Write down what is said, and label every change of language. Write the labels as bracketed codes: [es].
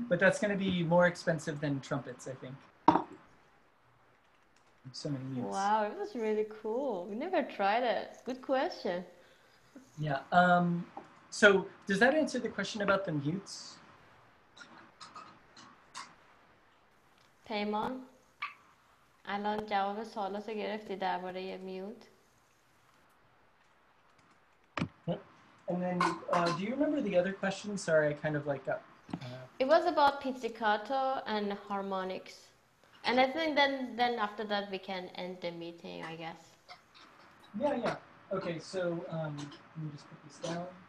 [en] But that's going to be more expensive than trumpets, I think. So many mutes. Wow, it was really cool. We never tried it. Good question. Yeah. So, does that answer the question about the mutes? Paimon? [fa] الان جواب سوالاتو گرفتی درباره میوت. [en] And then, do you remember the other question? Sorry, I kind of like got. It was about pizzicato and harmonics. And I think then after that we can end the meeting, I guess. Yeah, yeah. Okay, so let me just put this down.